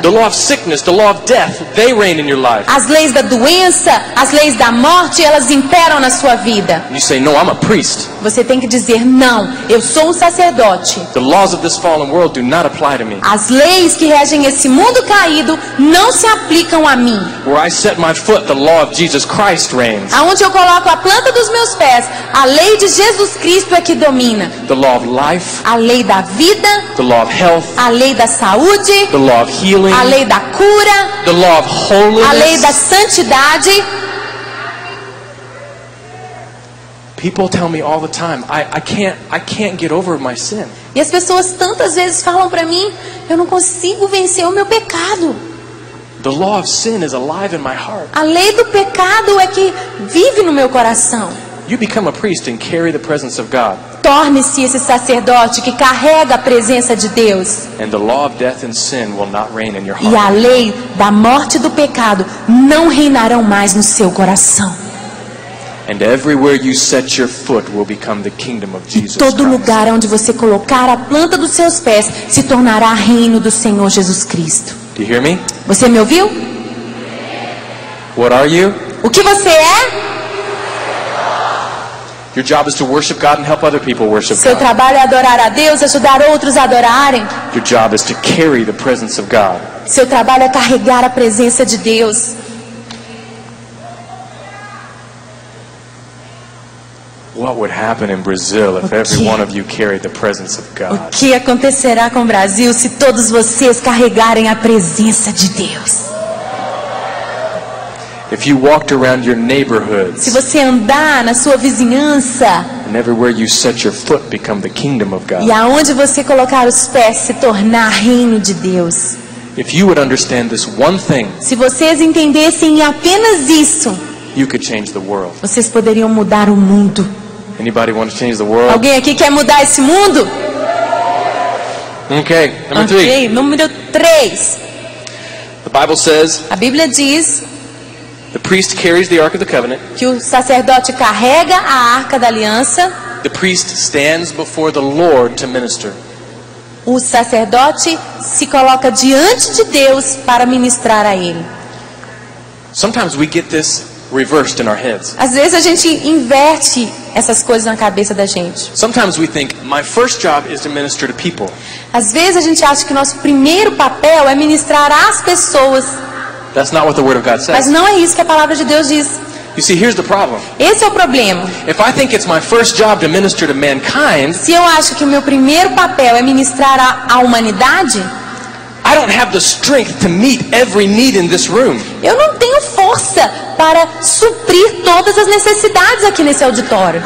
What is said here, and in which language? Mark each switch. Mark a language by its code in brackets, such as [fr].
[en] The law of sickness, the law of death, they reign in your life. [pt] As leis da doença, as leis da morte, elas imperam na sua vida. [en] You say, no, I'm a priest. [pt] Você tem que dizer, não, eu sou um sacerdote. [en] The laws of this fallen world do not apply to me. [pt] As leis que regem esse mundo caído não se aplicam a mim. [en] Where I set my foot, the law of Jesus Christ reigns. [pt] Aonde eu coloco a planta dos meus pés, a lei de Jesus Cristo é que domina. [en] The law of life, [pt] a lei da vida. [en] The law of health, [pt] a lei da saúde. [en] The law of healing, [pt] a lei da cura. [en] The law of holiness, [pt] a lei da santidade. [en] People tell me all the time, I can't get over my sin. [pt] E as pessoas tantas vezes falam para mim, eu não consigo vencer o meu pecado. [en] The law of sin is alive in my heart. [pt] A lei do pecado é que vive no meu coração. [en] You become a priest and carry the presence of God. [pt] Torne-se esse sacerdote que carrega a presença de Deus. [en] And the law of death and sin will not reign in your heart. [pt] E a lei da morte e do pecado não reinarão mais no seu coração. [en] And everywhere you set your foot will become the kingdom of Jesus Christ. [pt] Todo lugar onde você colocar a planta dos seus pés se tornará reino do Senhor Jesus Cristo. [en] Do you hear me? [pt] Você me ouviu? [en] What are you? [pt] O que você é? [en] Your job is to worship God and help other people worship God. [pt] Seu trabalho é adorar a Deus e ajudar outros a adorarem. [en] Your job is to carry the presence of God. [pt] Seu trabalho é carregar a presença de Deus. [en] What would happen in Brazil if every one of you carried the presence of God? [pt] O que acontecerá com o Brasil se todos vocês carregarem a presença de Deus? [en] If you walked around your neighborhoods, [pt] se você andar na sua vizinhança, [en] and everywhere you set your foot become the kingdom of God. [pt] E aonde você colocar os pés se tornar reino de Deus. [en] If you would understand this one thing, [pt] se vocês entendessem apenas isso, [en] you could change the world. [pt] Vocês poderiam mudar o mundo. [en] Anybody want to change the world? [pt] Alguém aqui quer mudar esse mundo? [en] Okay, number three. [pt] Okay, número 3. [en] The Bible says, [pt] a Bíblia diz, [en] the priest carries the ark of the covenant. [pt] Que o sacerdote carrega a arca da aliança. [en] The priest stands before the Lord to minister. [pt] O sacerdote se coloca diante de Deus para ministrar a ele. [en] Sometimes we get this reversed in our heads. [pt] Às vezes a gente inverte essas coisas na cabeça da gente. [en] Sometimes we think my first job is to minister to people. [pt] Às vezes a gente acha que nosso primeiro papel é ministrar às pessoas. [en] That's not what the word of God says. [pt] Mas não é isso que a palavra de Deus diz. [en] You see, here's the problem. [pt] Esse é o problema. [en] If I think it's my first job to minister to mankind, [pt] se eu acho que o meu primeiro papel é ministrar à humanidade, [en] I don't have the strength to meet every need in this room. [pt] Eu não tenho força para suprir todas as necessidades aqui nesse auditório.